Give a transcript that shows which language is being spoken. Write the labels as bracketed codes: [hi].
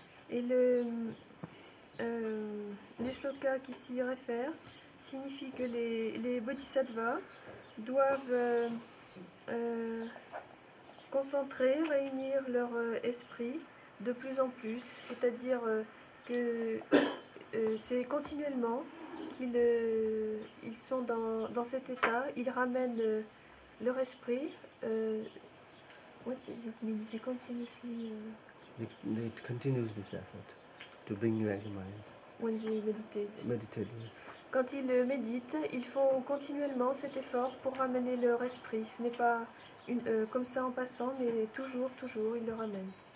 [fr] Et les shlokas qui s'y réfèrent signifient que les bodhisattvas doivent concentrer, réunir leur esprit de plus en plus, c'est-à-dire que c'est continuellement qu'ils ils sont dans cet état, ils ramènent leur esprit. [en] What does it mean? They continuously. They continue this effort to bring you back to mind. When they meditate. Meditate, yes. [fr] Quand ils méditent, ils font continuellement cet effort pour ramener leur esprit. Ce n'est pas. Comme ça en passant, mais toujours, il le ramène.